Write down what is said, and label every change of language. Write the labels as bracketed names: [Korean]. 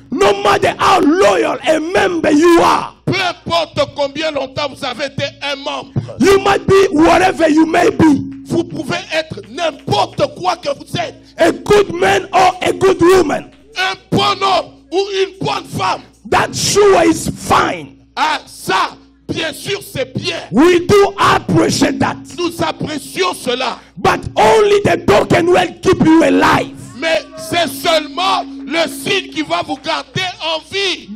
[English] No matter how loyal a member you are, [French] peu importe combien longtemps vous avez été un membre, [English] you might be whatever you may be. [French] Vous pouvez être n'importe quoi que vous êtes. [English] A good man or a good woman. [French] Un bon homme ou une bonne femme. [English] That sure is fine. [French] Ah, ça, bien sûr, c'est bien. [English] We do appreciate that. [French] Nous apprécions cela. [English] But only the token will keep you alive. [French] Mais c'est seulement le signe qui va vous garder en vie.